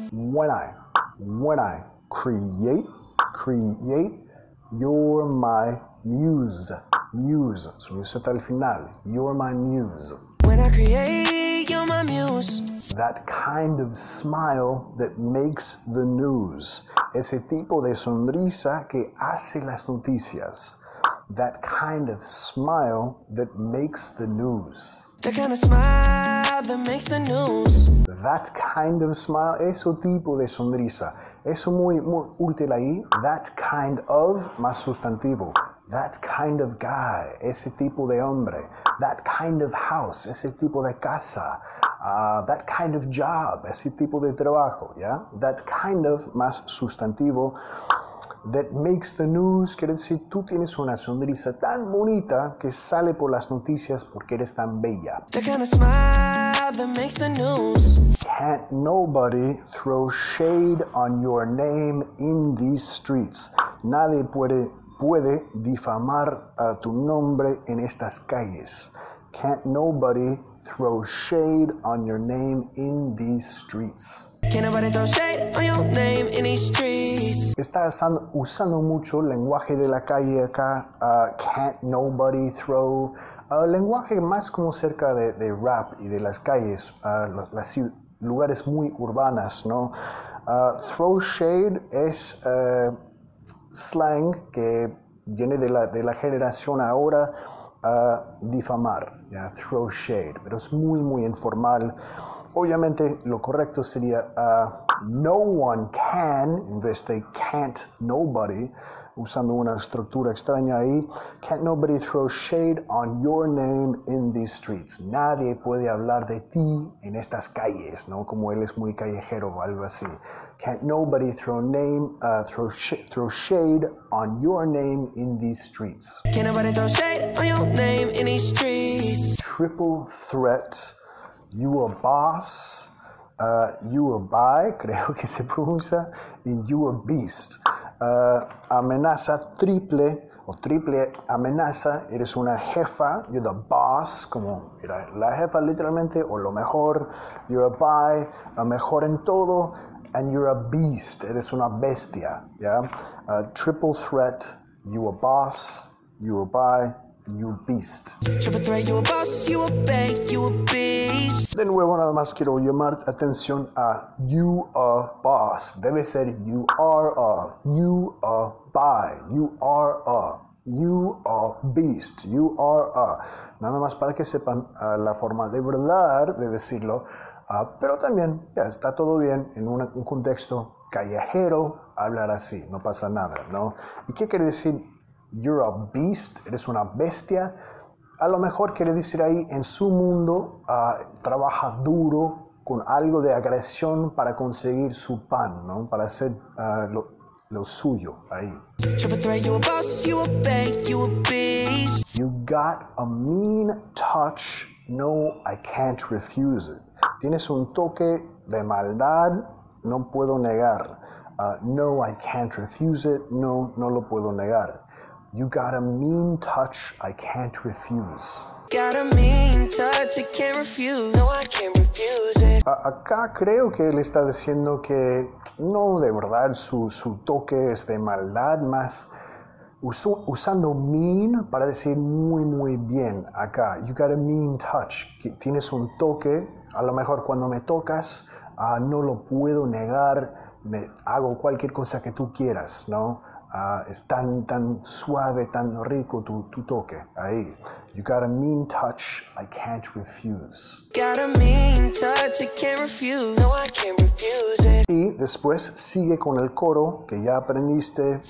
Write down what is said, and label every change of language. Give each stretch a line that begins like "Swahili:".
English: When I create, you're my muse. Muse, so you set
Spanish: al final,
English: you're my muse. When I create, you're my muse. That kind of smile that makes the news.
Spanish: Ese tipo de sonrisa que hace las noticias.
English: That kind of smile that makes the news. That kind of smile that makes the news. That kind of smile,
Spanish: eso tipo de sonrisa. Eso muy, muy útil ahí.
English: That kind of,
Spanish: más sustantivo.
English: That kind of guy,
Spanish: ese tipo de hombre.
English: That kind of house,
Spanish: ese tipo de casa.
English: That kind of job,
Spanish: ese tipo de trabajo,
English: yeah? That kind of,
Spanish: más sustantivo,
English: that makes the news,
Spanish: quiere decir, tú tienes una sonrisa tan bonita que sale por las noticias porque eres tan bella.
English: That kind of smile that makes the news. Can't nobody throw shade on your name in these streets.
Spanish: Nadie puede difamar a tu nombre en estas calles.
English: Can't nobody throw shade on your name in these streets. Can't nobody throw shade on your name in these streets.
Spanish: Estás usando mucho lenguaje de la calle acá.
English: Can't nobody throw.
Spanish: Lenguaje más como cerca de rap y de las calles. Las lugares muy urbanas, ¿no? Throw shade es slang que viene de la generación ahora. Difamar, yeah, throw shade, pero es muy muy informal. Obviamente lo correcto sería
English: no one can,
Spanish: en vez de
English: can't nobody,
Spanish: usando una estructura extraña ahí,
English: can't nobody throw shade on your name in these streets.
Spanish: Nadie puede hablar de ti en estas calles, ¿no? Como él es muy callejero o algo así.
English: Can't nobody throw shade on your name in these streets. Can't nobody throw shade on your name in these streets. Triple threat, you a boss, you a bi,
Spanish: creo que se pronuncia,
English: and you a beast.
Spanish: Amenaza triple, o triple amenaza, eres una jefa,
English: you're the boss,
Spanish: como mira, la jefa literalmente, o lo mejor,
English: you're a bi,
Spanish: la mejor en todo,
English: and you're a beast,
Spanish: eres una bestia, yeah?
English: Triple threat, you a boss, you a bi, you beast. Triple threat, you a boss, you a bi, you a beast.
Spanish: De nuevo, nada más quiero llamar atención a
English: you a boss.
Spanish: Debe ser
English: you are a, you a bi, you are a,
Spanish: you a beast, you are a. Nada más para que sepan la forma de verdad de decirlo. Pero también, ya, está todo bien en un contexto callejero hablar así. No pasa nada, ¿no? ¿Y qué quiere decir?
English: You're a beast,
Spanish: eres una bestia. A lo mejor quiere decir ahí, en su mundo, trabaja duro con algo de agresión para conseguir su pan, ¿no? Para hacer lo suyo ahí.
English: Triple threat, you a boss, you a bank, you a beast. You got a mean touch, no, I can't refuse it.
Spanish: Tienes un toque de maldad, no puedo negar.
English: No, I can't refuse it,
Spanish: no lo puedo negar.
English: You got a mean touch, I can't refuse. Got a mean touch, I can't refuse. No, I can't refuse it.
Spanish: Acá creo que él está diciendo que no, de verdad, su toque es de maldad, más usando mean para decir muy, muy bien acá.
English: You got a mean touch,
Spanish: que tienes un toque. A lo mejor cuando me tocas, no lo puedo negar. Me hago cualquier cosa que tú quieras, ¿no? Es tan, tan suave, tan rico tu toque. Ahí.
English: You got a mean touch, I can't refuse. Got a mean touch, I can't refuse. No, I can't refuse it.
Spanish: Y después sigue con el coro que ya aprendiste.